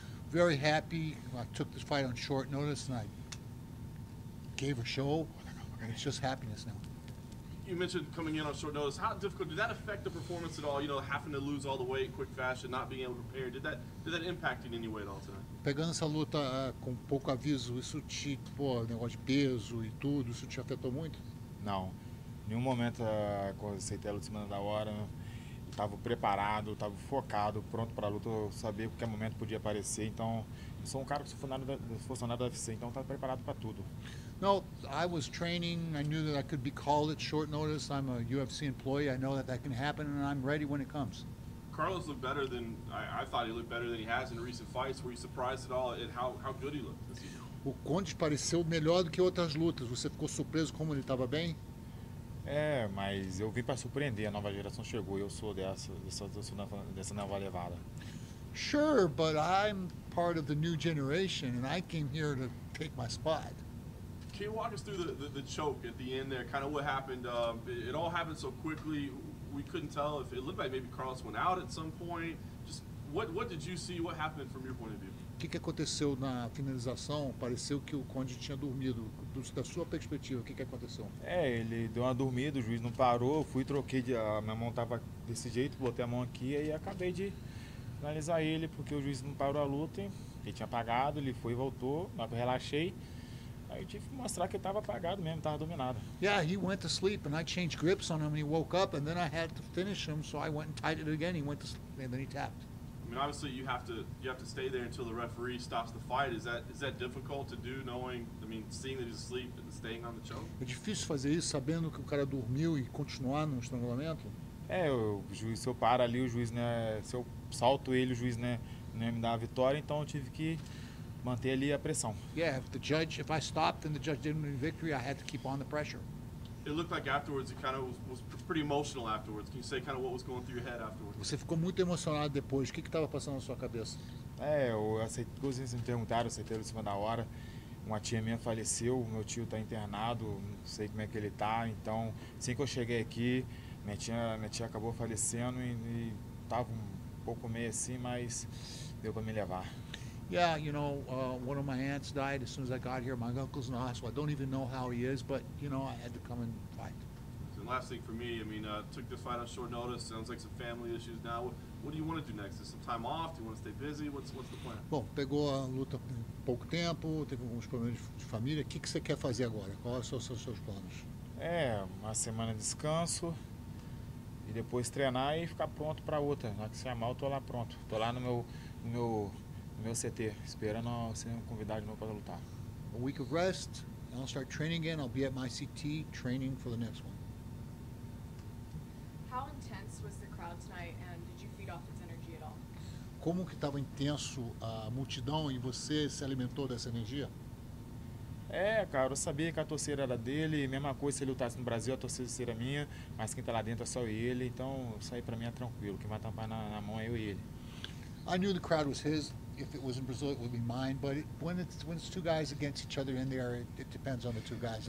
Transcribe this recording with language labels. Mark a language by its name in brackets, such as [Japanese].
[English] Very happy. I took this fight on short notice and I gave a show. It's just happiness now. You mentioned coming in on short notice. How difficult, did that affect the performance at all? You know, having to lose all the weight in quick fashion, not being able to prepare. Did that impact in any way at all tonight? [Portuguese] Pegando essa luta com pouco aviso, isso te, pô, negócio de peso e tudo, isso te afetou muito? Não. Nenhum momento, quando aceitei a luta semana da hora, estava preparado, estava focado, pronto para a luta, sabia que qualquer momento podia aparecer. Então, eu sou um cara que sou funcionário da UFC, então estava preparado para tudo. [English] No, I was training. I knew that I could be called at short notice. I'm a UFC employee. I know that that can happen, and I'm ready when it comes. Carlos looked better than I thought. He looked better than he has in recent fights. Were you surprised at all at how good he looked this evening? [Portuguese] O Conte pareceu melhor do que outras lutas. Você ficou surpreso como ele estava bem? É, mas eu vim para surpreender. A nova geração chegou. Eu sou dessa nova levada. [English] Sure, but I'm part of the new generation, and I came here to take my spot. Can you walk us through the choke at the end there, kind of what happened? It all happened so quickly, we couldn't tell if it looked like maybe Carlos went out at some point. Just what did you see? What happened from your point of view? [Portuguese] O que aconteceu na finalização? Pareceu que o Conde tinha dormido. Da sua perspectiva, o que aconteceu? É, ele deu uma dormida, o juiz não parou, fui, troquei, a minha mão estava desse jeito, botei a mão aqui e acabei de finalizar ele, porque o juiz não parou a luta, ele tinha apagado, ele foi e voltou, mas eu relaxei. Aí tive que mostrar que ele estava apagado mesmo, estava dominado. [English] Yeah, he went to sleep and I changed grips on him and he woke up and then I had to finish him, so I went and tied it again. He went to sleep and then he tapped. I mean, obviously you have to stay there until the referee stops the fight. Is that difficult to do, knowing, I mean, seeing that he's asleep and staying on the choke? [Portuguese] É difícil fazer isso sabendo que o cara dormiu e continuar no estrangulamento? É, o juiz, se eu paro ali, o juiz, né, se eu salto ele, o juiz, né, não ia me dar a vitória, então eu tive que manter ali a pressão. [English] Yeah, if I stopped and the judge didn't win victory, I had to keep on the pressure. It looked like afterwards, it kind of was pretty emotional afterwards. Can you say kind of what was going through your head afterwards? [Portuguese] Você ficou muito emocionado depois. O que estava passando na sua cabeça? É, vocês me perguntaram, aceitei em cima da hora. Uma tia minha faleceu, meu tio está internado, não sei como é que ele está. Então, assim que eu cheguei aqui, minha tia acabou falecendo e estava um pouco meio assim, mas deu para me levar. [English] Yeah, you know, one of my aunts died as soon as I got here. My uncle's in the hospital. I don't even know how he is, but, you know, I had to come and fight. And last thing for me, I mean, took the fight on short notice. Sounds like some family issues now. What do you want to do next? Is some time off? Do you want to stay busy? What's the plan? [Portuguese] Bom, pegou a luta em pouco tempo, teve alguns problemas de família. O que você quer fazer agora? Quais são os seus planos? É, uma semana de descanso. E depois treinar e ficar pronto para outra. Na hora que se armar, eu tô lá pronto. Tô lá no meu CT, esperando ser convidado de novo para lutar. [English] A week of rest, and I'll start training again. I'll be at my CT training for the next one. How intense was the crowd tonight, and did you feed off its energy at all? [Portuguese] Como que estava intenso a multidão e você se alimentou dessa energia? É, cara, eu sabia que a torcida era dele. Mesma coisa, se ele lutasse no Brasil, a torcida seria minha. Mas quem está lá dentro é só ele. Então, isso aí para mim é tranquilo. Quem vai tampar na mão é eu e ele. [English] I knew the crowd was his. If it was in Brazil, it would be mine. But when it's two guys against each other in there, it depends on the two guys.